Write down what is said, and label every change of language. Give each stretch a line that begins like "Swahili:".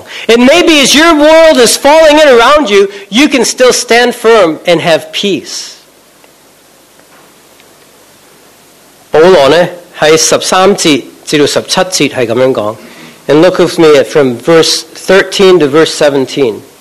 English: It may be as your world is falling in around you, you can still stand firm and have peace.
Cantonese: 保罗呢，喺13节至17节系咁样讲。
English: And look with me at from verse 13 to verse 17.